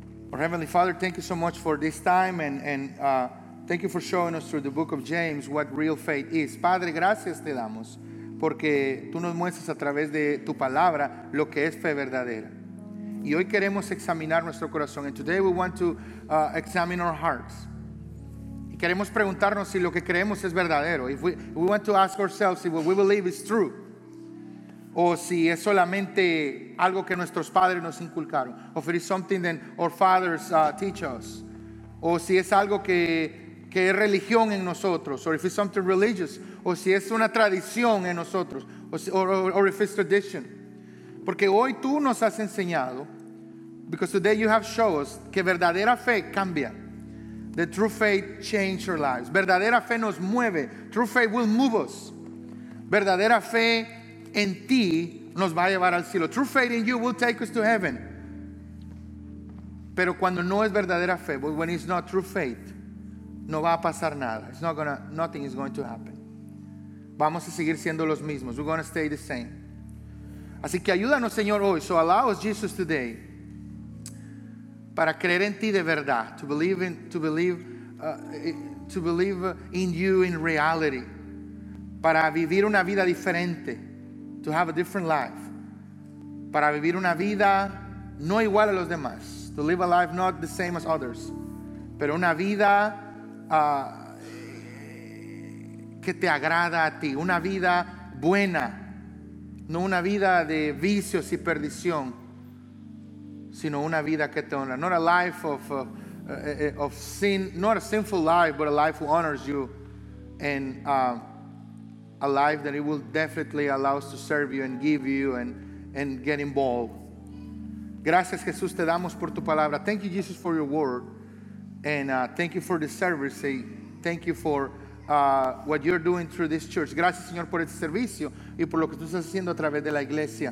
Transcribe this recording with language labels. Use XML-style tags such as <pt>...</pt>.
<en>Our Heavenly Father, thank you so much for this time and thank you for showing us through the book of James what real faith is.</en> <es>Padre, gracias te damos porque tú nos muestras a través de tu palabra lo que es fe verdadera. Y hoy queremos examinar nuestro corazón.</es> <en>And today we want to examine our hearts.</en> <es>Y queremos preguntarnos si lo que creemos es verdadero.</es> <en>If we want to ask ourselves if what we believe is true.</en> <es>O si es solamente algo que nuestros padres nos inculcaron.</es> <en>Or if it is something that our fathers teach us.</en> <es>O si es algo que es religión en nosotros,</es> <en>or if it's something religious,</en> <es>o si es una tradición en nosotros,</es> <en>or if it's tradition.</en> <es>Porque hoy tú nos has enseñado,</es> <en>because today you have shown us,</en> <es>que verdadera fe cambia.</es> <en>The true faith changes our lives.</en> <es>Verdadera fe nos mueve.</es> <en>True faith will move us.</en> <es>Verdadera fe en ti nos va a llevar al cielo.</es> <en>True faith in you will take us to heaven.</en> <es>Pero cuando no es verdadera fe,</es> <en>but when it's not true faith,</en> <es>no va a pasar nada.</es> <en>It's not gonna. Nothing is going to happen.</en> <es>Vamos a seguir siendo los mismos.</es> <en>We're going to stay the same.</en> <es>Así que ayúdanos, Señor, hoy.</es> <en>So allow us, Jesus, today,</en> <es>para creer en ti de verdad.</es> <en>To believe in you in reality.</en> <es>Para vivir una vida diferente.</es> <en>To have a different life.</en> <es>Para vivir una vida no igual a los demás.</es> <en>To live a life not the same as others.</en> <es>Pero una vida que te agrada a ti, una vida buena, no una vida de vicios y perdición, sino una vida que te honra.</es> <en>Not a life of sin, not a sinful life, but a life who honors you, and a life that it will definitely allow us to serve you and give you and get involved.</en> <es>Gracias, Jesús, te damos por tu palabra.</es> <en>Thank you, Jesus, for your word. And thank you for the service. Thank you for what you're doing through this church.</en> <es>Gracias, Señor, por este servicio y por lo que tú estás haciendo a través de la iglesia.</es>